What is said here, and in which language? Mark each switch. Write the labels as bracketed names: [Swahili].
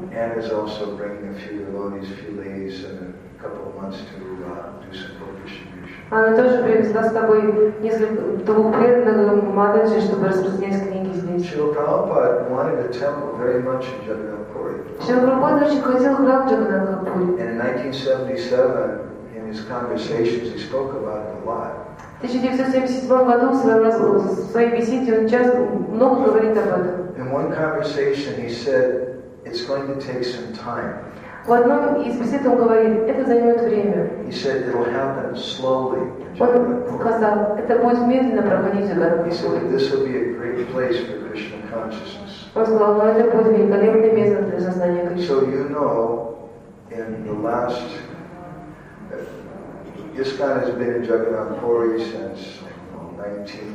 [English] Anna is also bringing a few devotees, a few ladies, in a couple of months to do some book distribution. [Russian] Она тоже привезла с тобой несколько двух преданных Матаджи, чтобы распространять книги здесь. [English] Шрила Прабхупада wanted a temple very much in Джаганнатхпури. [Russian] Шрила Прабхупада очень хотел храм в Джаганнатхпури. [English] And in 1977, in his conversations, he spoke about it a lot. [Russian] В 1977 году в своей беседе он часто много говорит об этом. [English] In one conversation he said, it's going to take some time. [Russian] В одном из бесед он говорит, это займет время. [English] He said, it'll happen slowly. [Russian] Он сказал, это будет медленно проходить в Джаганнатхпури. [English] He said, this will be a great place for Krishna consciousness. [Russian] Он сказал, но это будет великолепное место для сознания Кришны. [English] So you know, in the last ISKCON has been in Jagannathpuri since